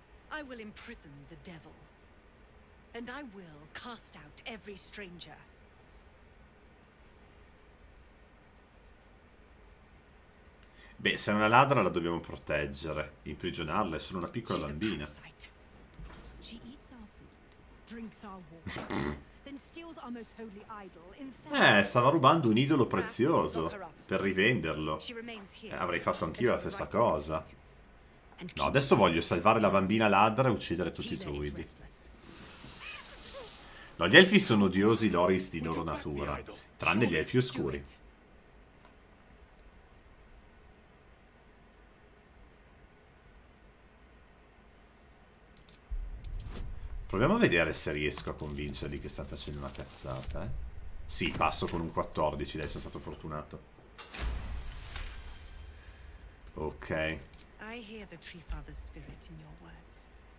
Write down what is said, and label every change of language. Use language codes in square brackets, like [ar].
[en] I will imprison the devil. And I will cast out every stranger. [it] Beh, se è una ladra la dobbiamo proteggere, imprigionarla, è solo una piccola bambina. She eats our food, drinks our water, then steals our most holy idol. Stava rubando un idolo prezioso per rivenderlo. Avrei fatto anch'io la stessa cosa. No, adesso voglio salvare la bambina ladra e uccidere tutti i druidi. No, gli elfi sono odiosi loris di loro natura, tranne gli elfi oscuri. Proviamo a vedere se riesco a convincerli che sta facendo una cazzata, eh. Sì, passo con un 14, dai, sono stato fortunato. Ok. [en] I hear the Tree Father's spirit in your words.